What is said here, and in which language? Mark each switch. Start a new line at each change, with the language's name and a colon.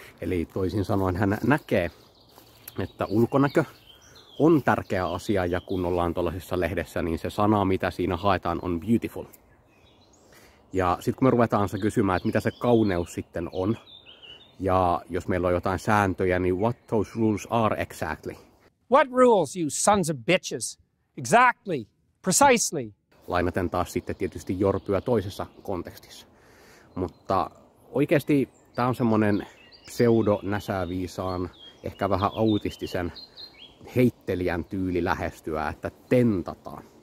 Finnish: Eli toisin sanoen hän näkee, että ulkonäkö on tärkeä asia ja kun ollaan tuollaisessa lehdessä, niin se sana, mitä siinä haetaan, on beautiful. Ja sitten kun me ruvetaan kysymään, että mitä se kauneus sitten on, ja jos meillä on jotain sääntöjä, niin
English: what those rules are exactly? What rules, you sons of bitches? Exactly, precisely.
Finnish: Lainaten taas sitten tietysti Jorpyä toisessa kontekstissa. Mutta oikeasti tämä on semmoinen pseudo-näsäviisaan, ehkä vähän autistisen heittelijän tyyli lähestyä, että tentataan.